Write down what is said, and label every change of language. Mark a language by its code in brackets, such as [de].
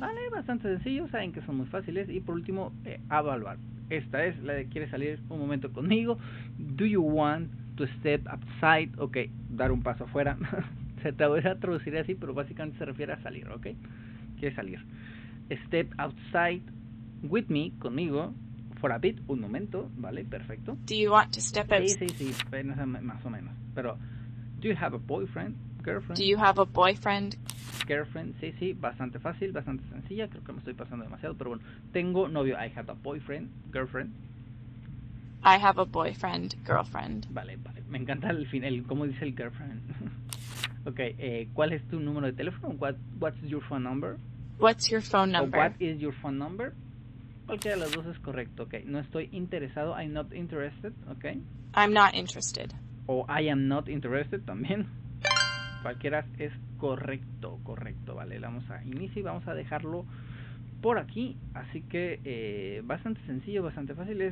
[es] Vale, bastante sencillo, saben que son muy fáciles. Y por último, evaluar. Esta es la de quieres salir un momento conmigo. [en] Do you want to step outside? [es] Ok, dar un paso afuera. Se te voy a traducir así, pero básicamente se refiere a salir, ok. Quieres salir. [en] Step outside with me, conmigo. For a bit, [es] un momento, vale, perfecto. [en] Do you want to step [es] outside? Sí, más o menos, pero... [en] Do you have a boyfriend, girlfriend? Do you have a boyfriend? [es] Girlfriend, sí, bastante fácil, bastante sencilla. Creo que me estoy pasando demasiado, pero bueno. Tengo novio, [en] I have a boyfriend, girlfriend. I have a boyfriend, girlfriend. [es] Vale, me encanta el final, ¿cómo dice el girlfriend? Okay, ¿cuál es tu número de teléfono? [en] What's your phone number? What's your phone number? Or what is your phone number? [es] Cualquiera de las dos es correcto, okay. No estoy interesado, [en] I'm not interested, okay. I'm not interested. [es] O I am not interested también. Cualquiera es correcto, correcto, vale. Vamos a inicio y vamos a dejarlo por aquí. Así que bastante sencillo, bastante fácil.